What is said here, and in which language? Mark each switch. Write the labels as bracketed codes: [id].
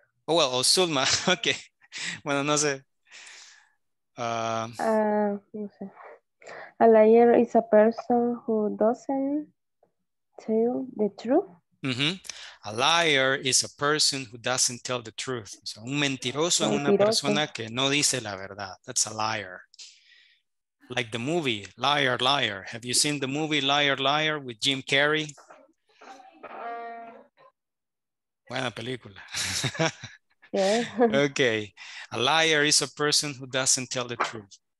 [en] Oh, well, Osulma. Okay. [es] Bueno, no sé. [en] A liar is a person who doesn't tell the truth. Mm-hmm. A liar is a person who doesn't tell the truth. [es] So, un mentiroso es una persona que no dice la verdad. [en] That's a liar. Like the movie Liar Liar. Have you seen the movie Liar Liar with Jim Carrey? [es] Buena película. [en] Yeah. Okay. A liar is a person who doesn't tell the truth.